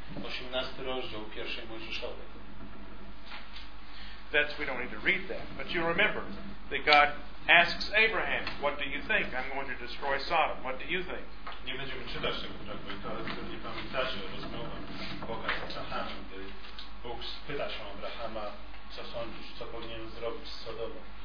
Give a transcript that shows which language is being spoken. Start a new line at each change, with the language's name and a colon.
Polish: 18 rozdział pierwszej Mojżeszowej.
English: That's, we don't need to read that. But you remember that God asks Abraham, what do you think? I'm going to destroy Sodom. What do you think?
Polish: Nie będziemy czytać tego fragmentu, ale pewnie pamiętacie o rozmowę Boga z Abrahamem, gdy Bóg pyta się Abrahama, co sądzisz, co powinien zrobić z Sodomą.